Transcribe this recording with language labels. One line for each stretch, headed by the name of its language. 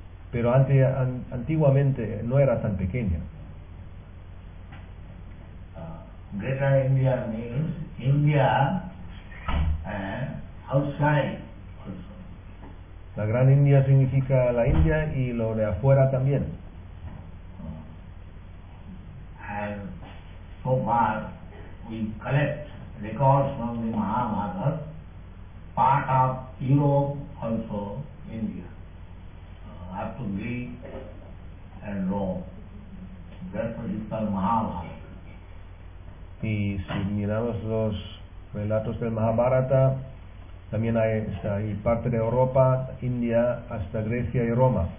Spanish: Pero antiguamente no era tan pequeña.
English: Greater India means India outside also.
Spanish: La Gran India significa la India y lo de afuera también.
English: And so far we collect records from the Mahabharata, part of Europe, also India, up to Greece and Rome. That's what is called Mahabharata.
Spanish: Y si miramos los relatos del Mahabharata, también hay parte de Europa, India, hasta Grecia y Roma.